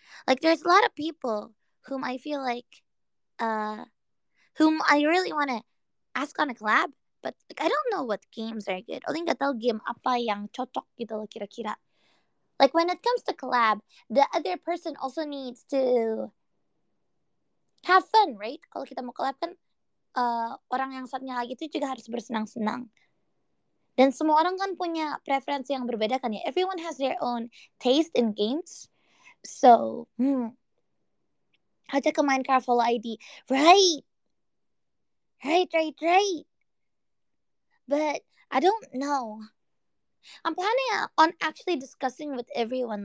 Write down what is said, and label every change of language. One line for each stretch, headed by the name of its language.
English: Like there's a lot of people whom I feel like, whom I really want to ask on a collab, but like, I don't know what games are good.
Indonesian: Oli nggak tahu game apa yang cocok gitu loh kira-kira.
English: Like when it comes to collab, the other person also needs to have fun, right?
Indonesian: Kalau kita mau collab kan, orang yang satunya lagi itu juga harus bersenang-senang. Dan semua orang kan punya preferensi yang berbeda kan ya.
English: Everyone has their own taste in games, so. I took a Minecraft Holo ID. Right. But I don't know. I'm planning on actually discussing with everyone.